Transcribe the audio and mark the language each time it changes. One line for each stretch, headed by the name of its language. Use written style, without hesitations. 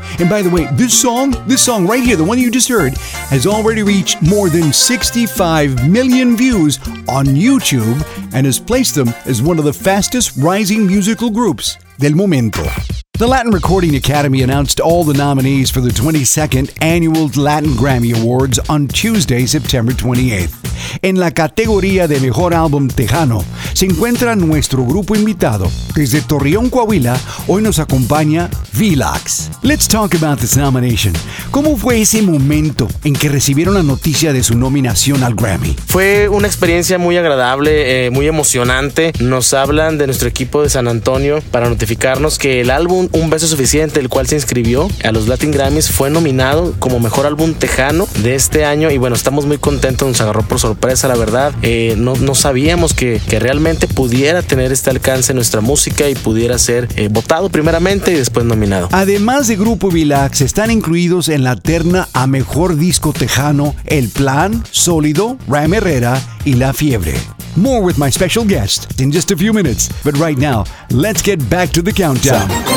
English: And by the way, this song right here, the one you just heard, has already reached more than 65 million views on YouTube and has placed them as one of the fastest rising musical groups
Spanish: del momento.
English: The Latin Recording Academy announced all the nominees for the 22nd Annual Latin Grammy Awards on Tuesday, September 28th.
Spanish: En la categoría de Mejor Álbum Tejano se encuentra nuestro grupo invitado. Desde Torreón, Coahuila, hoy nos acompaña Vilax.
English: Let's talk about this nomination.
Spanish: ¿Cómo fue ese momento en que recibieron la noticia de su nominación al Grammy? Fue una experiencia muy agradable, muy emocionante. Nos hablan de nuestro equipo de San Antonio para notificarnos que el álbum Un Beso Suficiente, el cual se inscribió a los Latin Grammys, fue nominado como Mejor Álbum Tejano de este año. Y bueno, estamos muy contentos, nos agarró por sorpresa, la verdad. No sabíamos que realmente pudiera tener este alcance nuestra música y pudiera ser votado primeramente y después nominado. Además de Grupo Vilax, están incluidos en la terna a Mejor Disco Tejano El Plan, Sólido, Ram Herrera y La Fiebre.
English: More with my special guest in just a few minutes, but right now, let's get back to the countdown.